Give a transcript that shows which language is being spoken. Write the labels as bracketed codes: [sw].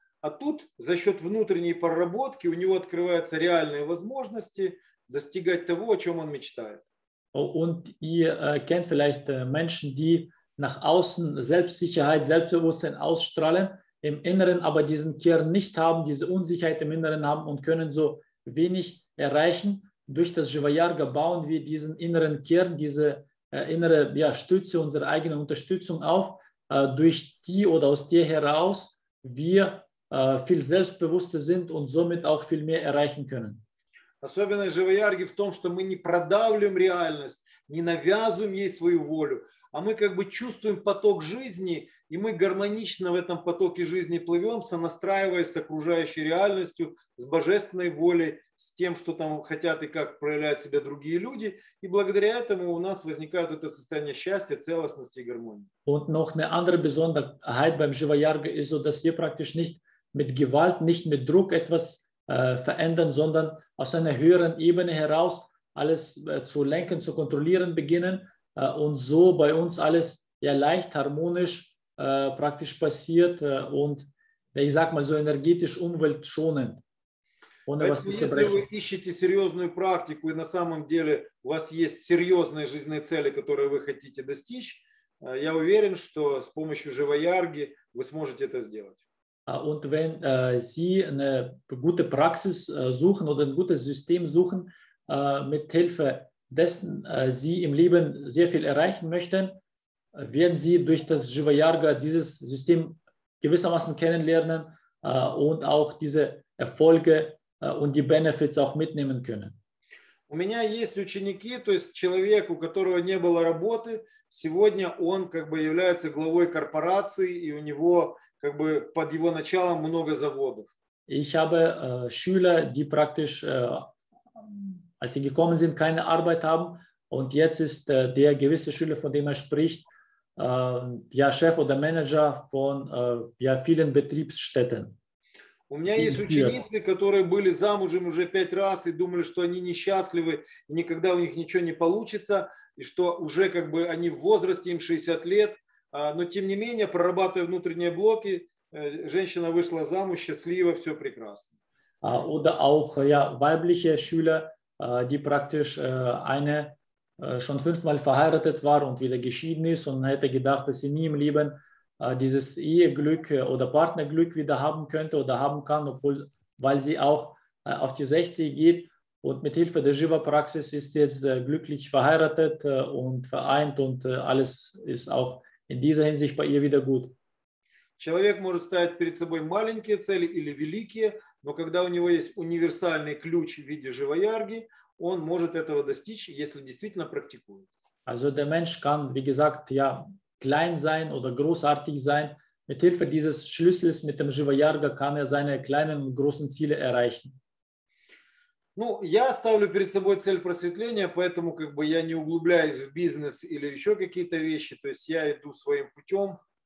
[ru] А тут за счет внутренней проработки у него открываются реальные возможности достигать того, о чем он мечтает. [de] Und ihr kennt vielleicht Menschen, die nach außen Selbstsicherheit, Selbstbewusstsein ausstrahlen, im Inneren aber diesen Kern nicht haben, diese Unsicherheit im Inneren haben und können so wenig erreichen. Durch das Jivayarga bauen wir diesen inneren Kern, diese innere Stütze, unsere eigene Unterstützung auf, durch die oder aus der heraus wir viel selbstbewusster sind und somit auch viel mehr erreichen können. [ru] Особенность Jivayarga в том, что мы не продавливаем реальность, не навязываем ей свою волю, а мы как бы чувствуем поток жизни, и мы гармонично в этом потоке жизни плывем, сонастраиваясь с окружающей реальностью, с божественной волей, с тем, что там хотят и как проявляют себя другие люди. И благодаря этому у нас возникает это состояние счастья, целостности и гармонии. [de] Und noch eine andere Besonderheit beim Jivayarga ist so, dass wir praktisch nicht mit Gewalt, nicht mit Druck etwas verändern, sondern aus einer höheren Ebene heraus alles zu lenken, zu kontrollieren beginnen. Und so bei uns alles leicht, harmonisch praktisch passiert und, ich sag mal so, energetisch umweltschonend. Ohne was zu zerbrechen. Wenn ihr eine seriöse Praktik sucht und auf [ru] самом деле у вас есть серьезные жизненные цели, которые вы хотите достичь, я уверен, что с помощью Jivayarga вы сможете это сделать. [de] Und wenn Sie eine gute Praxis suchen oder ein gutes System suchen, mit Hilfe dessen Sie im Leben sehr viel erreichen möchten, werden Sie durch das Jivayarga dieses System gewissermaßen kennenlernen und auch diese Erfolge und die Benefits auch mitnehmen können. [ru] У меня есть ученики, то есть человек, у которого не было работы, сегодня он как бы является главой корпорации и у него как бы под его началом много заводов. [de] Ich habe Schüler, die praktisch als sie gekommen sind, keine Arbeit haben. Und jetzt ist der gewisse Schüler, von dem er spricht, Chef oder Manager von vielen Betriebsstätten. [ru] У меня есть ученики, которые были замужем уже 5 раз и думали, что они несчастливы, и никогда у них ничего не получится, и что уже как бы они в возрасте, им 60 лет, но тем не менее, прорабатывая внутренние блоки, Женщина вышла замуж, счастливо, все прекрасно. [de] Oder auch ja, weibliche Schüler, die praktisch eine schon fünfmal verheiratet war und wieder geschieden ist und hätte gedacht, dass sie nie im Leben dieses Eheglück oder Partnerglück wieder haben könnte oder haben kann, obwohl, weil sie auch auf die 60 geht und mit Hilfe der Shiva-Praxis ist jetzt glücklich verheiratet und vereint und alles ist auch in dieser Hinsicht bei ihr wieder gut. [ru] Человек может ставить перед собой маленькие цели или великие, но когда у него есть универсальный ключ в виде живоярги, он может этого достичь, если действительно практикует. [de] Also der Mensch kann, wie gesagt, ja, klein sein oder großartig sein. Mit Hilfe dieses Schlüssels mit dem Живоярга kann er seine kleinen und großen Ziele erreichen. [ru] Ну, я ставлю перед собой цель просветления, поэтому как бы я не углубляюсь в бизнес или еще какие-то вещи, то есть я иду своим путем.